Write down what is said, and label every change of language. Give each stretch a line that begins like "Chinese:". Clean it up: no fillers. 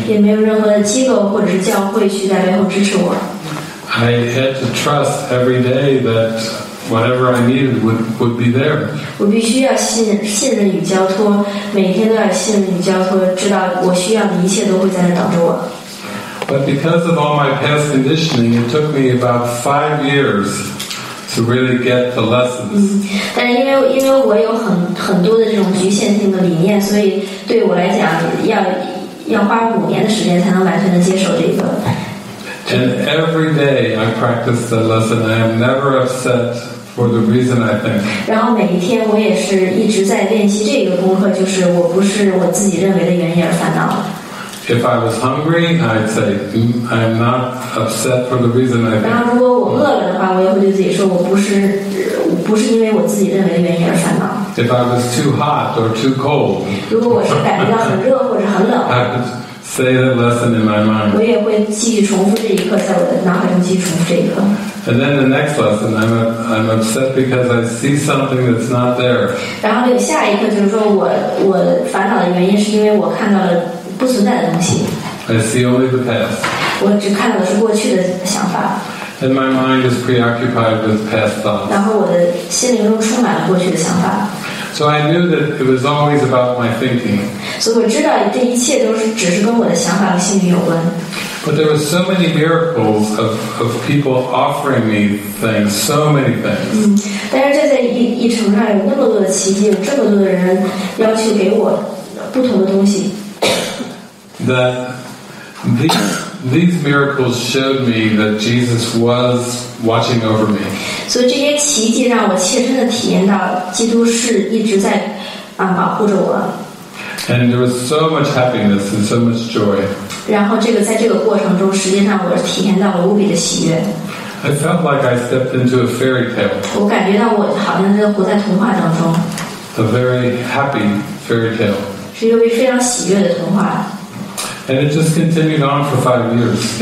English: I had to trust every day that whatever I needed would be there. But But because of all my past conditioning, it took me about 5 years to really get the lessons.
Chinese: 但因为我有很多的这种局限性的理念，所以对我来讲，要花5年的时间才能完全的接受这个。
English: And every day I practice the lesson. I am never upset for the reason I think.
Chinese: 然后每一天我也是一直在练习这个功课，就是我不是我自己认为的原因而烦恼。
English: If I was hungry, I'd say, I'm not upset for the reason I think.
Chinese: 然后如果我饿了的话，我也会对自己说，我不是因为我自己认为的原因而烦恼。
English: If I was too hot or too cold.
Chinese: 如果我是感觉到很热或者很冷。
English: Say the lesson in my mind.
Chinese: 我也会记忆重复这一刻，在我的脑海中记忆重复这一刻。
English: And then the next lesson, I'm upset because I see something that's not there.
Chinese: 然后有下一刻，就是说我烦恼的原因是因为我看到了不存在的东西。
English: I see only the past.
Chinese: 我只看到的是过去的想法。
English: And my mind is preoccupied with past thoughts.
Chinese: 然后我的心灵中充满了过去的想法。
English: So I knew that it was always about my thinking.
Chinese: So 我知道这一切都是只是跟我的想法和心理有关。
English: But there were so many miracles of people offering me things, so many things.
Chinese: 但是这在一程上有那么多的奇迹，有这么多的人要求给我不同的东西。
English: That these miracles showed me that Jesus was watching over me.
Chinese: So 这些奇迹让我切身的体验到基督是一直在保护着我。
English: And there was so much happiness and so much joy.
Chinese: 然后这个在这个过程中实际上我体验到了无比的喜悦。
English: I felt like I stepped into a fairy tale.
Chinese: 我感觉到我好像在活在童话当中。
English: A very happy fairy tale.
Chinese: 是一个非常喜悦的童话。
English: And it just continued on for 5 years.